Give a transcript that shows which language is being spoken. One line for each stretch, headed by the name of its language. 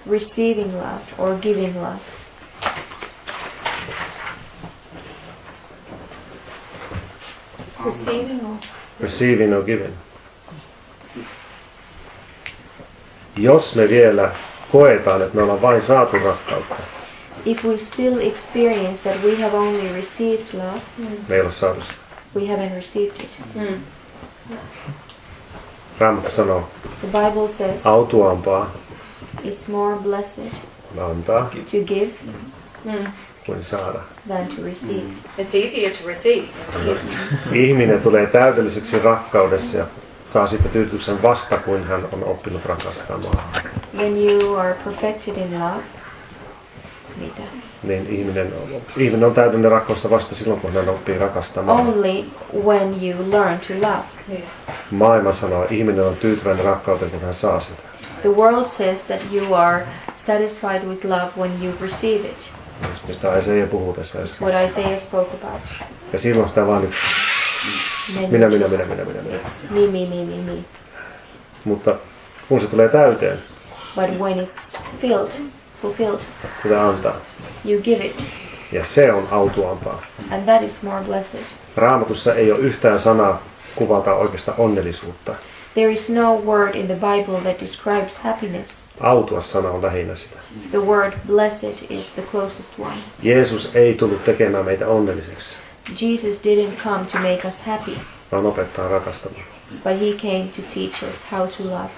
English: Receiving love or giving love. Receiving or giving.
Finnish: Jos me vielä koetaan, että me ollaan vain saatu rakkautta.
English: If we still experience that we have only received love.
Finnish: Me ei ole saatu.
English: We haven't received it.
Finnish: Raamattu sanoo.
English: The Bible says.
Finnish: Autuampaa.
English: It's more blessed.
Finnish: Antaa.
English: To give.
Finnish: Kuin saada.
English: Than to receive. It's easier to receive.
Finnish: Ihminen tulee täydelliseksi rakkaudessa. Saa sitten tyytyksen vasta, kun hän on oppinut rakastamaan.
English: When you are perfected in love,
Finnish: mitä? Niin ihminen on täydellinen rakkaudessa vasta silloin, kun hän oppii rakastamaan.
English: Only when you learn to love.
Finnish: Maailma sanoo, ihminen on tyytyväinen rakkauteen, kun hän saa sitä.
English: The world says that you are satisfied with love when you receive it.
Finnish: Mistä Isaiah puhuu tässä äsken.
English: What Isaiah spoke about.
Finnish: Ja silloin sitä vaan nyt. Minä. Mutta kun se tulee täyteen.
English: But when it's filled, fulfilled.
Finnish: Sitä antaa.
English: You give it.
Finnish: Ja se on autuampaa.
English: And that is more blessed.
Finnish: Raamatussa ei ole yhtään sanaa kuvata oikeasta onnellisuutta.
English: There is no word in the Bible that describes happiness.
Finnish: Autua sana on lähinnä sitä.
English: The word blessed is the closest one.
Finnish: Jeesus ei tullut tekemään meitä onnelliseksi.
English: Jesus didn't come to make us happy.
Finnish: Vaan opettaa rakastamaan.
English: But he came to teach us how to love.